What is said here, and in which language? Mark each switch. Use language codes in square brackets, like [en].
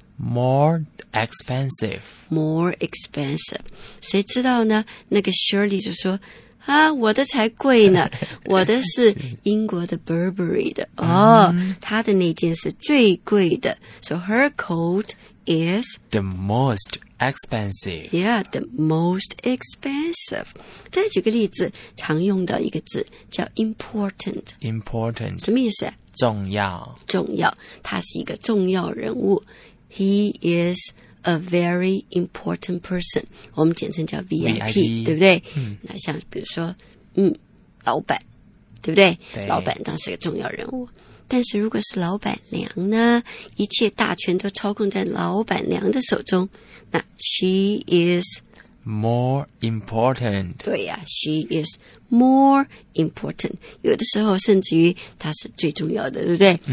[en] more expensive， more expensive。 [zh] 谁知道呢，那个 Shirley 就说啊，我的才贵呢，我的是英国的 Burberry 的哦，她的那件是最贵的。 [en] So her coat is the most expensive. Yeah, the most expensive. [zh] 再举个例子，常用的一个字叫 important. [en] Important [zh] 什么意思？重要。重要，他是一个重要人物。 [en] He is a very important person， [zh] 我们简称叫 [en] VIP， [zh] 对不对？那像比如说老板，对不对？老板当时个重要人物。但是如果是老板娘呢，一切大权都操控在老板娘的手中，那 [en] she is more important。 [zh] 对呀、 [en] she is more important， [zh] 有的时候甚至于她是最重要的，对不对？